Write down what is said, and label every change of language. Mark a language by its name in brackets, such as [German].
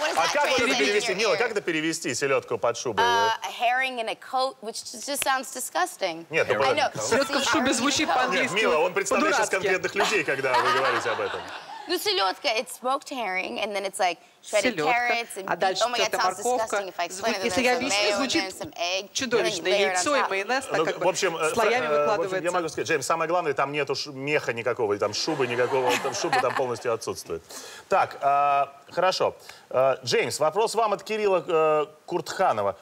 [Russian] Как это перевести селедку под шубой? [English] Herring in a coat, which just sounds disgusting. [Russian] Нет, селедка в шубе звучит по-английски. Мила, он представляет сейчас конкретных людей, когда вы говорите об этом. [English] Ну, селедка, it's smoked herring, and then it's like shredded carrots, and oh my god, морковка. [Russian] Если я объясню, звучит чудовищно. Яйцо и майонез, так как бы слоями выкладывается. Я могу сказать, Джеймс, самое главное, там нет уж меха никакого, там шубы никакого, там шубы там полностью отсутствует. Так, хорошо. Джеймс, вопрос вам от Кирилла Куртханова.